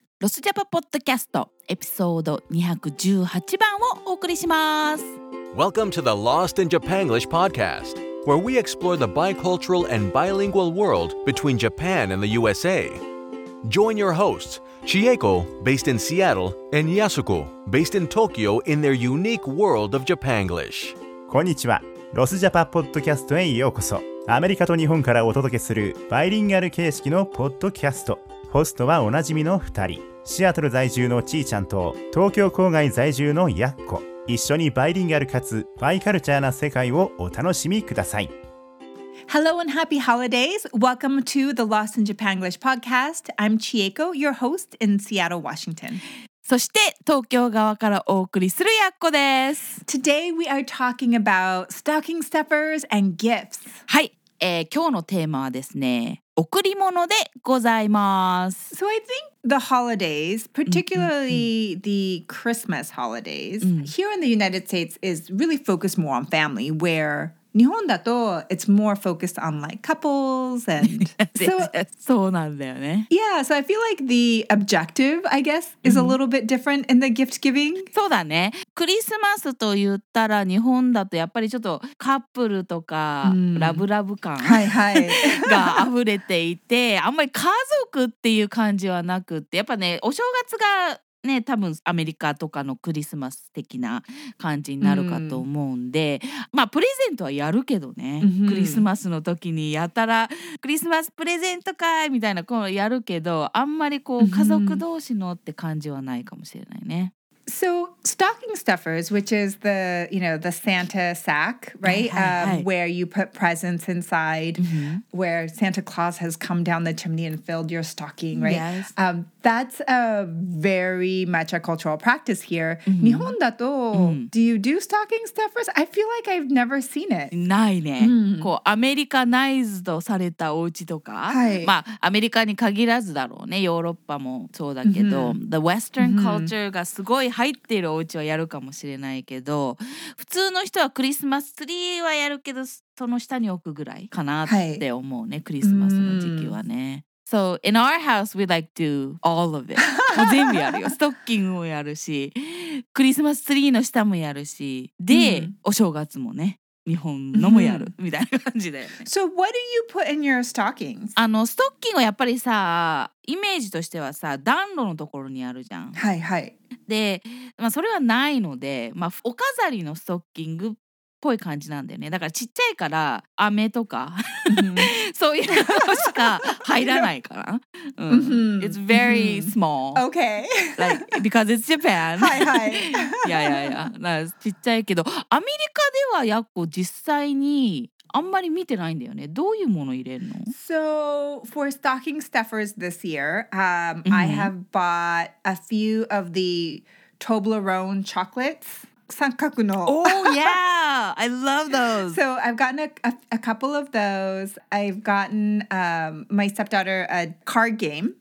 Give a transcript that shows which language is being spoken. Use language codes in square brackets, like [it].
[ja] ロスジャパポッドキャスト、エピソード218番をお送りします。 [en] Welcome to the Lost in Japan English podcast, where we explore the bicultural and bilingual world between Japan and the USA. Join your hosts, Chieko, based in Seattle, and Yasuko, based in Tokyo, in their unique world of Japanglish. [ja] こんにちは。ロスジャパポッドキャストへようこそ。アメリカと日本からお届けするバイリンガル形式のポッドキャスト。ホストはおなじみの2人、シアトル在住のちーちゃんと東京郊外在住のやっこ。一緒にバイリンガルかつバイカルチャーな世界をお楽しみください。 [en] Hello and happy holidays! Welcome to the Lost in Japan English podcast. I'm Chieko, your host in Seattle, Washington. [ja] そして東京側からお送りするやっこです。 [en] Today we are talking about stocking stuffers and gifts. [ja] はい、今日のテーマはですね、贈り物でございます。 [en] So I think the holidays, particularly the Christmas holidays, here in the United States is really focused more on family, where [ja] 日本だと [en] it's more focused on like couples and... [ja] そうなんだよね。 [en] Yeah, so I feel like the objective, I guess, is a little bit different in the gift giving. [ja] そうだね。クリスマスと言ったら日本だとやっぱりちょっとカップルとかラブラブ感が溢れていて、あんまり家族っていう感じはなくって、やっぱね、お正月がね、多分アメリカとかのクリスマス的な感じになるかと思うんで、まあプレゼントはやるけどね、クリスマスの時にやたらクリスマスプレゼントかいみたいなこうやるけど、あんまりこう家族同士のって感じはないかもしれないね。 [en] So stocking stuffers, which is the, you know, the Santa sack, right? Where you put presents inside, where Santa Claus has come down the chimney and filled your stocking, right? Yes. That's a very much a cultural practice here. [ja] 日本だと、 [en] do you do stocking stuffers? I feel like I've never seen it. [ja] ないね。こうアメリカナイズドされたお家とか、まあアメリカに限らずだろうね。ヨーロッパもそうだけど、 [en] the Western culture [ja] がすごい入っているお家はやるかもしれないけど、普通の人はクリスマスツリーはやるけど、その下に置くぐらいかなって思うね、クリスマスの時期はね。 [en] So in our house we like to do all of it. [ja] もう全部やるよ。ストッキングもやるし、クリスマスツリーの下もやるし、で、お正月もね、日本のもやるみたいな感じだよね。 [en] So what do you put in your stockings? [ja] あのストッキングはやっぱりさ、イメージとしてはさ、暖炉のところにあるじゃん。はいはい。で、まあ、それはないので、まあ、お飾りのストッキングっぽい感じなんだよね。だからちっちゃいから飴とか、そういうのしか入らないかな。 [en] It's very small. Okay. Like, because it's Japan. [ja] はいはい。いや。ちっちゃいけど、アメリカではやっこ実際にあんまり見てないんだよね。どういうもの入れるの？ [en] So, for stocking stuffers this year, I have bought a few of the Toblerone chocolates. [ja] 三角の。 [en] Oh, yeah! I love those! So, I've gotten a couple of those. I've gotten my stepdaughter a card game.